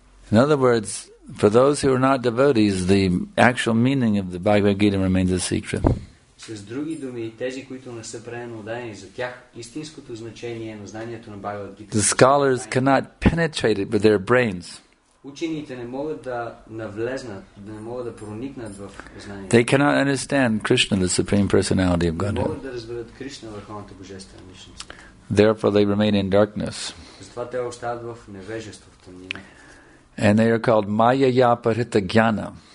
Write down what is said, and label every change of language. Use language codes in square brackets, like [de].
[en] In other words, for those who are not devotees, the actual meaning of the Bhagavad Gita remains a secret. [bg] С други думи, тези, които не са преподадени за тях, истинското значение на знанието на Бхагавад Гита. [en] The scholars cannot penetrate it with their brains. [bg] Учените не могат да навлезнат, да не могат да проникнат в знанието. [en] They cannot understand Krishna, the supreme personality of Godhead. [bg] Не могат да разберат Кришна, върховната божествена личност. [en] Therefore they remain in darkness. [bg] Затова те остават в невежество, в тъмнина. [en] And they are called Mayaya Paritta Gyana.